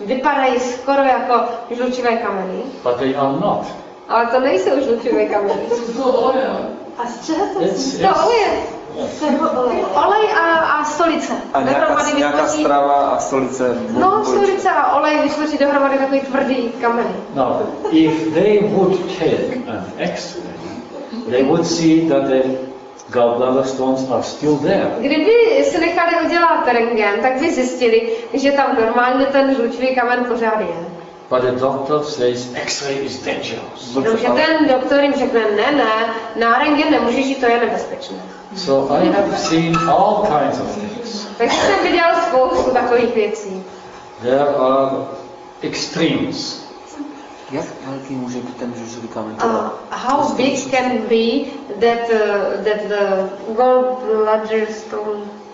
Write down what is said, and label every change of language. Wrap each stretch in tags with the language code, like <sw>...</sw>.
<cs>Vypadají skoro jako žlučivé kameny.</cs> <en>But they are not.</en> <cs>Ale to nejsou žlučivé kameny. A z čeho to jsou? To oleje. Olej a stolice. A nějaká strava a stolice. No, stolice a olej vytvoří dohromady takový tvrdý kameny.</cs> <en>No, if they would take an X-ray, they would see that the gallbladder stones are still there.</en> <cs>Kdyby se nechali udělat rentgen, tak by zjistili, že tam normálně ten žlučivý kamen pořád je.</cs> <en>But the doctor says X-ray is dangerous.</en> <cs>No, že ten doktor jim řekne, ne, na rentgen nemůžeš jít, to je nebezpečné.</cs> <en>So I have seen all kinds of things.</en> <cs>Takže jsem viděl spoustu takových věcí.</cs> <en>There are extremes.</en> <cs>Jak velký může být ten žlučový kamen?</cs> <en>How big can be that the gallbladder stone?</en>